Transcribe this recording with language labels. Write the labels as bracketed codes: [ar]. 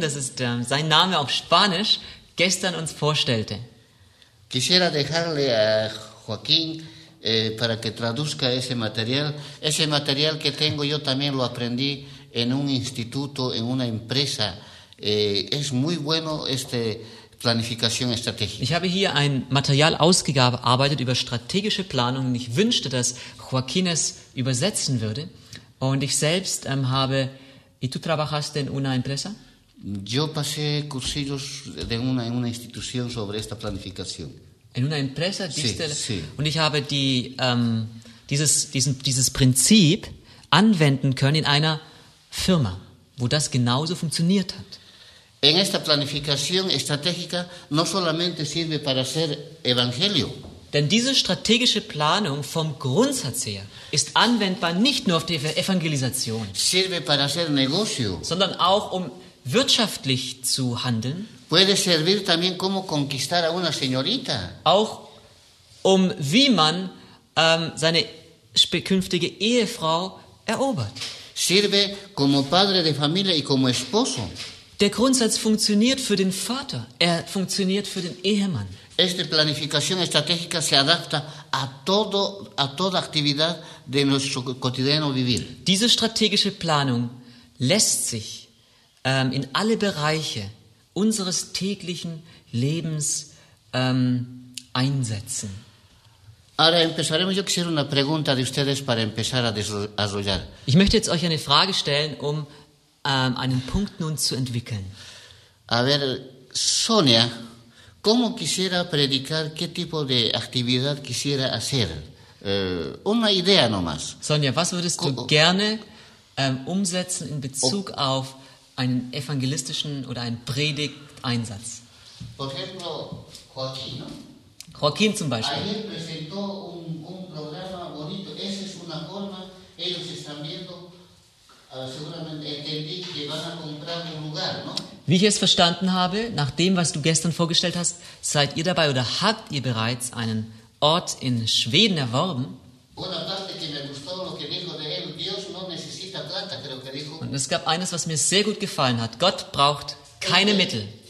[de] das ist sein Name auf Spanisch, gestern uns vorstellte. [es] Quisiera dejarle a Joaquín para que traduzca ese material. Ese material que tengo yo también lo aprendí en un instituto, en una empresa. Es muy bueno este planificación estratégica. [de] Ich habe hier ein Material ausgearbeitet über strategische Planung und ich wünschte, dass Joaquín es übersetzen würde. Und ich selbst habe. [es] ¿Y tú trabajaste en una empresa? Yo pasé cursillos en una institución sobre esta planificación. En una empresa, sí, diste, sí. [de] Und ich habe die, dieses Prinzip anwenden können in einer Firma, wo das genauso funktioniert hat. [es] En esta planificación estratégica no solamente sirve para hacer evangelio. [de] Denn diese strategische Planung vom Grundsatz her ist anwendbar nicht nur auf die Evangelisation, [es] sirve para hacer negocio, [de] sondern auch um wirtschaftlich zu handeln. [es] Puede servir también como conquistar a una señorita. [de] Auch um wie man seine künftige Ehefrau erobert. [es] Sirve como padre de familia y como esposo. [de] Der Grundsatz funktioniert für den Vater, er funktioniert für den Ehemann. [es] Esta planificación estratégica se adapta a todo, a toda actividad de nuestro cotidiano vivir. [de] Diese strategische Planung lässt sich in alle Bereiche unseres täglichen Lebens einsetzen. [es] Ahora empezaremos. Yo quisiera una pregunta de ustedes para empezar a desarrollar. [de] Ich möchte jetzt euch eine Frage stellen, um einen Punkt nun zu entwickeln. [es] A ver, Sonia, ¿cómo quisiera predicar? ¿Qué tipo de actividad quisiera hacer? Una idea nomás. [de] Sonia, was würdest du gerne umsetzen in Bezug auf einen evangelistischen oder einen Predigteinsatz. [es] Por ejemplo, Joaquín, ¿no? [de] Joaquín zum Beispiel. [es] Ayer presentó un programa bonito. Esa es una forma. Ellos están viendo. Seguramente entendí que van a comprar un lugar, ¿no? [de] Wie ich es verstanden habe, nach dem, was du gestern vorgestellt hast, seid ihr dabei oder habt ihr bereits einen Ort in Schweden erworben? Und es gab eines, was mir sehr gut gefallen hat. Gott braucht keine Mittel.